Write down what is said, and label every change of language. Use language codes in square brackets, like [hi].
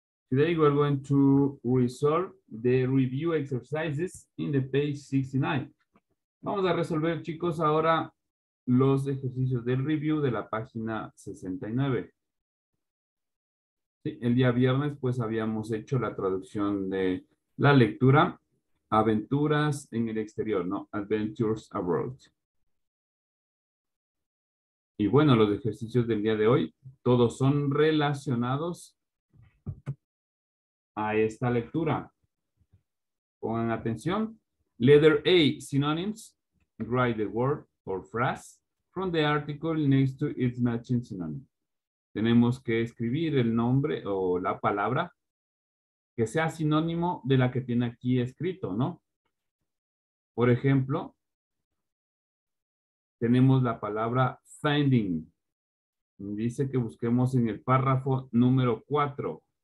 [en] Today we're going to resolve the review exercises in the page 69. [es] Vamos a resolver, chicos, ahora los ejercicios del review de la página 69. Sí, el día viernes, pues habíamos hecho la traducción de la lectura Aventuras en el exterior, ¿no? [en] Adventures Abroad. [es] Y bueno, los ejercicios del día de hoy, todos son relacionados a esta lectura. Pongan atención. [en] Letter A, synonyms. Write the word or phrase from the article next to its matching synonym. [es] Tenemos que escribir el nombre o la palabra que sea sinónimo de la que tiene aquí escrito, ¿no? Por ejemplo, tenemos la palabra finding. Dice que busquemos en el párrafo número 4.